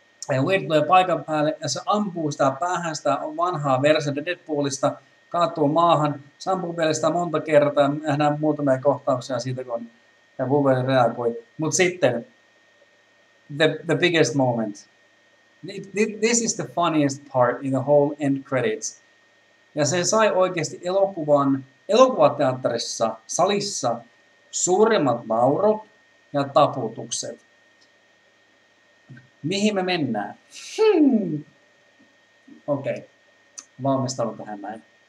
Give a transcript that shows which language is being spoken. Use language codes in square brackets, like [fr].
[fi] Wade tulee paikan päälle ja se ampuu sitä päähän sitä vanhaa versiota Deadpoolista, kaatuu maahan, sampuu vielä sitä monta kertaa ja nähdään muutamia kohtauksia siitä, kun Wolverine reagoi. Mutta sitten, [en] the biggest moment. This is the funniest part in the whole end credits. [fi] Ja se sai oikeasti elokuvateatterissa, salissa, suurimmat naurut ja taputukset. Mihin me mennään? Okei. Valmistaudun tähän näin.